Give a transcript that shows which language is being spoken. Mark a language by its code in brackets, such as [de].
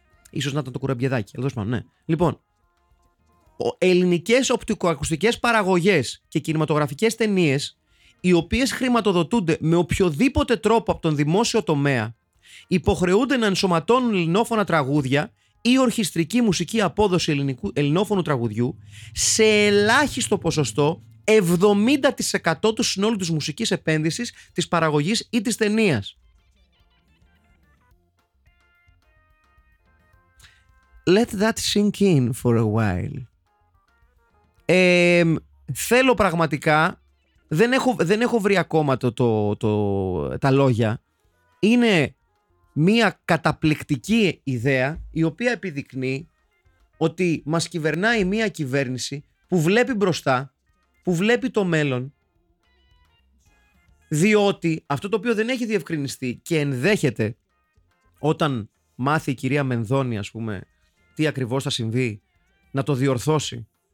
[el] Ίσως να ήταν το κουραμπιεδάκι, εδώ σπάνω, ναι. Λοιπόν, ελληνικές οπτικοακουστικές παραγωγές και κινηματογραφικές ταινίες, οι οποίες χρηματοδοτούνται με οποιοδήποτε τρόπο από τον δημόσιο τομέα, υποχρεούνται να ενσωματώνουν ελληνόφωνα τραγούδια ή ορχιστρική μουσική απόδοση ελληνόφωνου τραγουδιού σε ελάχιστο ποσοστό, 70% του συνόλου της μουσικής επένδυσης, της παραγωγής ή της ταινίας. [en] Let that sink in for a while. [el] Θέλω πραγματικά, δεν έχω βρει ακόμα τα λόγια. Είναι μια καταπληκτική ιδέα η οποία επιδεικνύει ότι μας κυβερνάει μια κυβέρνηση που βλέπει μπροστά, που βλέπει το μέλλον, διότι αυτό το οποίο δεν έχει διευκρινιστεί και ενδέχεται όταν μάθει η κυρία Μενδώνη, ας πούμε, τι ακριβώς θα συμβεί, να το διορθώσει.